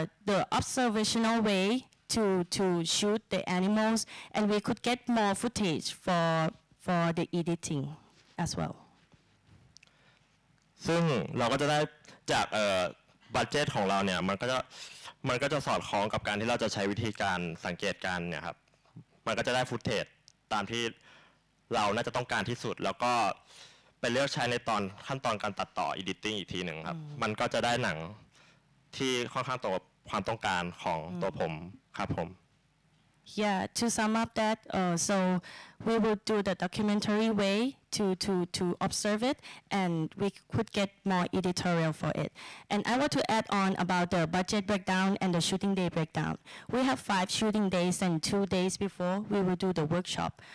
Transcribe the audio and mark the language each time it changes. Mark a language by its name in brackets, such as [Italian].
[English] The observational way to shoot the animals, and we could get more footage for the editing as well. [Thai] ซึ่งเราก็จะได้จากบัดเจ็ตของเราเนี่ยมันก็จะสอดคล้องกับการที่เราจะใช้วิธีการสังเกตการเนี่ยครับมันก็จะได้ฟุตเทจตามที่เราน่าจะต้องการที่สุดแล้วก็ไปเลือกใช้ในตอนขั้นตอนการตัดต่อ editing อีกทีหนึ่งครับมันก็จะได้หนังที่ค่อนข้างตรงกับความต้องการของตัวผมครับผม [English] Yeah, to sum up that, so we will do the documentary way to observe it, and we could get more editorial for it. And I want to add on about the budget breakdown and the shooting day breakdown. We have 5 shooting days, and 2 days before we will do the workshop.